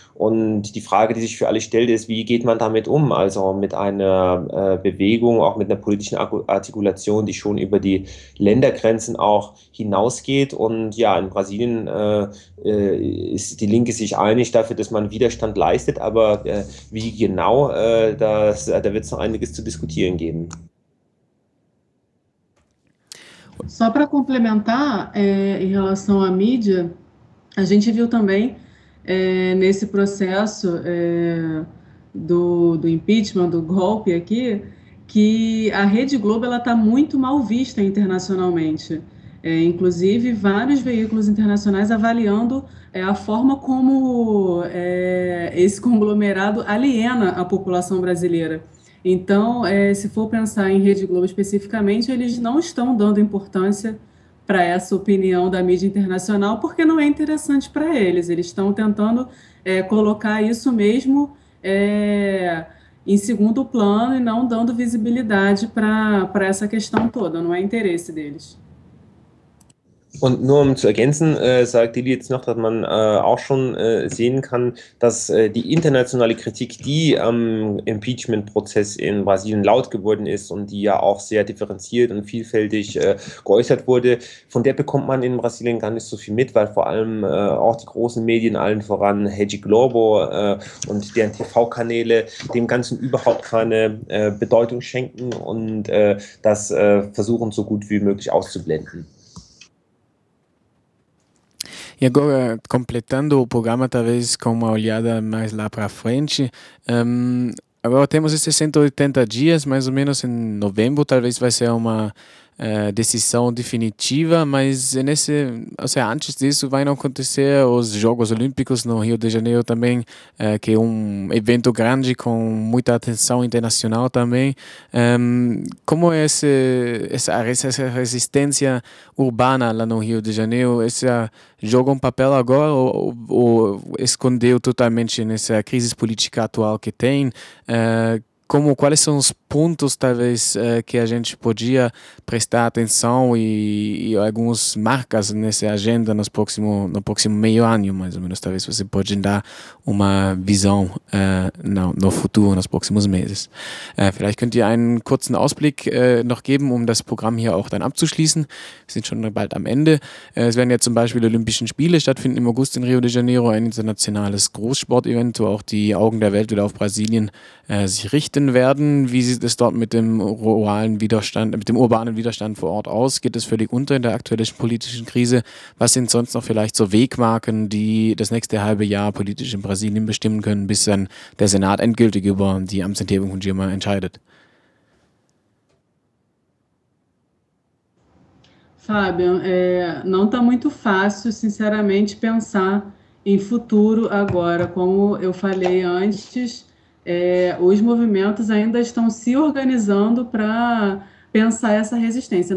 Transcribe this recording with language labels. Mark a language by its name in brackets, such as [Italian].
[German] Und die Frage, die sich für alle stellt, ist, wie geht man damit um? Also mit einer Bewegung, auch mit einer politischen Artikulation, die schon über die Ländergrenzen auch hinausgeht. Und ja, in Brasilien ist die Linke sich einig dafür, dass man Widerstand leistet. Aber wie genau, da wird es noch einiges zu diskutieren geben. [Portuguese] Só para complementar, em relação à mídia, a gente viu também nesse processo do impeachment, do golpe aqui, que a Rede Globo ela está muito mal vista internacionalmente. Inclusive, vários veículos internacionais avaliando a forma como esse conglomerado aliena a população brasileira. Então, se for pensar em Rede Globo especificamente, eles não estão dando importância para essa opinião da mídia internacional, porque não é interessante para eles. Eles estão tentando colocar isso mesmo em segundo plano e não dando visibilidade para essa questão toda. Não é interesse deles. [German] Und nur um zu ergänzen, sagt Dili jetzt noch, dass man auch schon sehen kann, dass die internationale Kritik, die am Impeachment-Prozess in Brasilien laut geworden ist und die ja auch sehr differenziert und vielfältig geäußert wurde, von der bekommt man in Brasilien gar nicht so viel mit, weil vor allem auch die großen Medien, allen voran Rede Globo und deren TV-Kanäle, dem Ganzen überhaupt keine Bedeutung schenken und das versuchen, so gut wie möglich auszublenden. [Portuguese] E agora, completando o programa, talvez com uma olhada mais lá para frente, agora temos esses 180 dias, mais ou menos em novembro, talvez vai ser uma decisão definitiva, mas nesse, ou seja, antes disso vai não acontecer os Jogos Olímpicos no Rio de Janeiro também, que é um evento grande com muita atenção internacional também. Como é essa resistência urbana lá no Rio de Janeiro? Esse joga um papel agora ou escondeu totalmente nessa crise política atual que tem? Como, quais são os pontos, talvez, que a gente podia prestar atenção e algumas marcas nessa agenda no próximo meio ano, mais ou menos, talvez você pode dar uma visão no futuro, nos próximos meses. [German] Vielleicht könnt ihr einen kurzen Ausblick noch geben, um das Programm hier auch dann abzuschließen. Wir sind schon bald am Ende. Es werden ja zum Beispiel Olympischen Spiele stattfinden im August in Rio de Janeiro, ein internationales Großsportevent, wo auch die Augen der Welt wieder auf Brasilien sich richten werden. Wie sieht es dort mit dem urbanen Widerstand vor Ort aus? Geht es völlig unter in der aktuellen politischen Krise? Was sind sonst noch vielleicht so Wegmarken, die das nächste halbe Jahr politisch in Brasilien bestimmen können, bis dann der Senat endgültig über die Amtsenthebung von Dilma entscheidet? [Portuguese] Fabian, não está muito fácil, sinceramente, pensar em futuro agora. Como eu falei antes, os movimentos ainda estão se organizando para pensar essa resistência.